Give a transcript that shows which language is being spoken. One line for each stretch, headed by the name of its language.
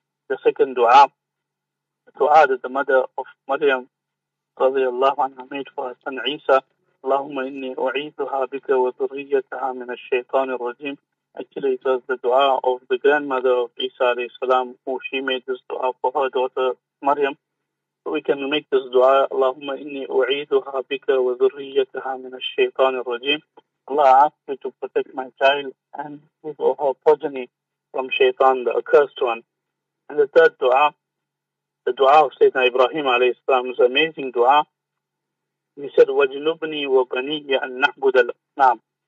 English: The second dua, the dua that the mother of Maryam radiallahu anha made for her son Isa,
Arabic: اللهم إني أعيذها بك وذريتها من الشيطان الرجيم.
English: Actually, it was the dua of the grandmother of Isa alayhi salam, who she made this dua for her daughter Maryam. So we can make this dua,
Arabic: اللهم إني أعيذها بك وذريتها من الشيطان الرجيم.
English: Allah, I ask you to protect my child and his or her progeny from Shaitan, the accursed one. And the third dua, the dua of Sayyidina Ibrahim alayhi salam, is an amazing dua. He said,
Arabic: وَجْنُبْنِي وَبَنِيَّ أَنْ نَعْبُدَ الْأَصْنَامِ.